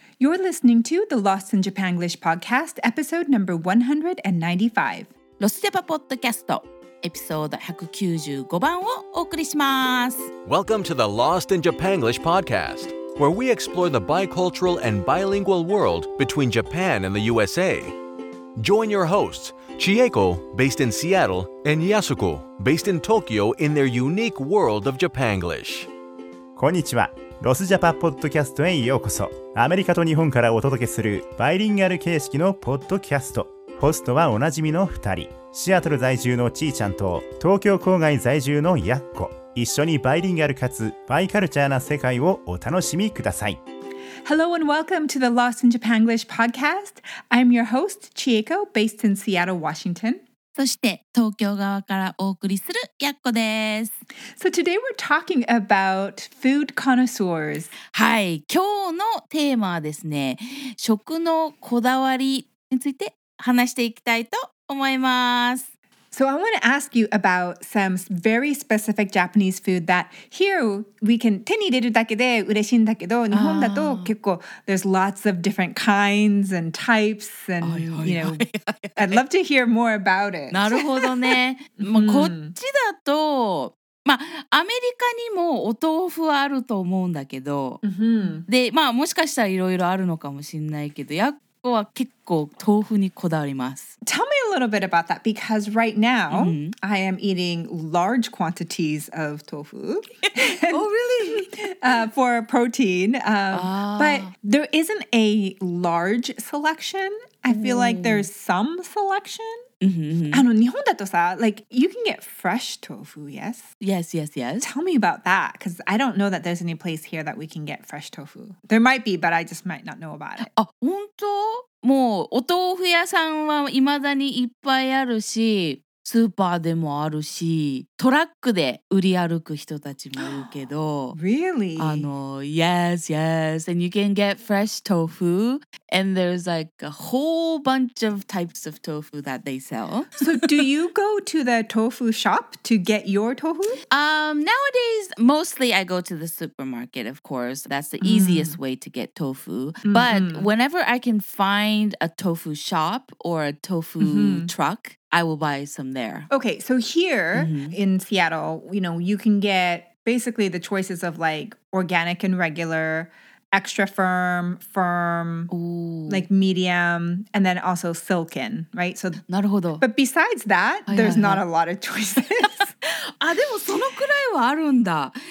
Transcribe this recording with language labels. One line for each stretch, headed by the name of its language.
English: You're listening to the Lost in Japanglish podcast, episode number 195.
Japanese: ロスジャパポッドキャスト、エピソード195番をお送りします。
English: Welcome to the Lost in Japanglish podcast, where we explore the bicultural and bilingual world between Japan and the USA. Join your hosts, Chieko, based in Seattle, and Yasuko, based in Tokyo, in their unique world of Japanglish.
Japanese: こんにちは。ロスジャパポッドキャストへようこそ。アメリカと日本からお届けするバイリンガル形式のポッドキャスト。ホストはおなじみの2人、シアトル在住のちーちゃんと東京郊外在住のやっこ。一緒にバイリンガルかつバイカルチャーな世界をお楽しみください。
English: Hello and welcome to the Lost in Japanglish podcast. I'm your host Chieko, based in Seattle, Washington.
Japanese: そして東京側からお送りするやっこです。
English: So today we're talking about food connoisseurs.
Japanese: はい、今日のテーマはですね、食のこだわりについて話していきたいと思います。
English: So I want to ask you about some very specific Japanese food that here we can
Japanese: 手に入れるだけで嬉しいんだけど、日本だと結構
English: there's lots of different kinds and types and you know, I'd love to hear more about it.
Japanese: なるほどね。まあ、こっちだと、まあ、アメリカにもお豆腐はあると思うんだけど、で、まあ、もしかしたらいろいろあるのかもしれないけど、は結構豆腐にこだわります。
English: Tell me a little bit about that, because right now、mm-hmm. I am eating large quantities of tofu. Oh, really? For protein. But there isn't a large selection. I feel like there's some selection.
Japanese: 日本だとさ、
English: like, you can get fresh tofu, yes? Yes, yes, yes. Tell me about that, because I don't know that there's any place here that we can get fresh tofu. There might be, but I just might not know about it.
Japanese: あ、本当？もうお豆腐屋さんは未だにいっぱいあるし、スーパーでもあるし、トラックで売り歩く人たちもいるけど。
English: Really? あの、yes, yes, and you can get fresh tofu. And there's like a whole bunch of types of tofu that they sell. So do you go to the tofu shop to get your tofu? Nowadays, mostly I go to the supermarket, of course. That's the easiest way to get tofu. But whenever I can find a tofu shop or a tofu truck, I will buy some there. Okay, so here in Seattle, you know, you can get basically the choices of like organic and regular,Extra firm, firm, like medium, and then also silken, right?
Japanese: So, なるほど。
English: But besides that, there's not a lot of choices.
Japanese: あ、でもそのくらいはあるんだ。